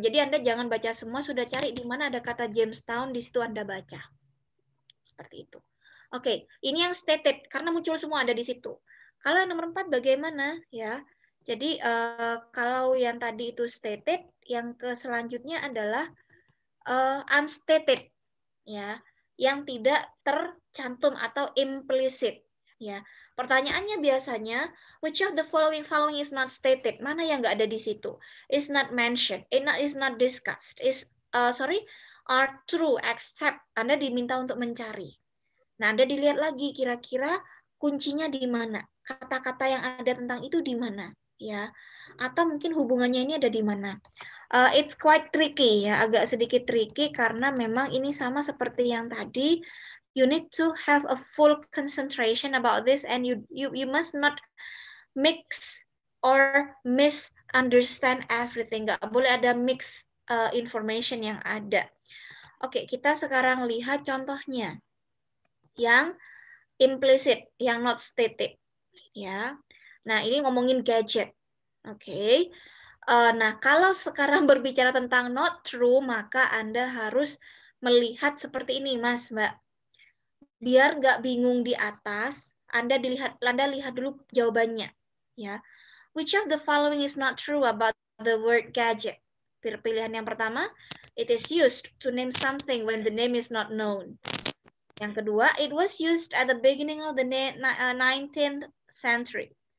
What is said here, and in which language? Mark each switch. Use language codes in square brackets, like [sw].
[id] Jadi Anda jangan baca semua, sudah cari di mana ada kata Jamestown, di situ Anda baca. Seperti itu. Oke, okay. Ini yang stated, karena muncul semua ada di situ. Kalau yang nomor 4 bagaimana? Ya, jadi kalau yang tadi itu stated, yang ke selanjutnya adalah unstated. Ya, yang tidak tercantum atau implicit. Ya, pertanyaannya biasanya, [en] which of the following is not stated? [id] Mana yang nggak ada di situ? [en] Is not mentioned, is not discussed, are true, except. [id] Anda diminta untuk mencari. Nah, Anda dilihat lagi kira-kira kuncinya di mana? Kata-kata yang ada tentang itu di mana? Ya, atau mungkin hubungannya ini ada di mana? [en] It's quite tricky, [id] ya, agak sedikit tricky karena memang ini sama seperti yang tadi. [en] You need to have a full concentration about this and you must not mix or misunderstand everything. [id] Nggak boleh ada mix information yang ada. Oke, okay, kita sekarang lihat contohnya. Yang implicit, yang not stated. Ya. Nah, ini ngomongin gadget. Oke. Okay. Nah, kalau sekarang berbicara tentang not true, maka Anda harus melihat seperti ini, Mas, Mbak. Biar nggak bingung di atas, Anda lihat dulu jawabannya, ya. [en] Which of the following is not true about the word gadget? [id] Pilihan yang pertama, [en] it is used to name something when the name is not known. [id] Yang kedua, [en] it was used at the beginning of the 19th century.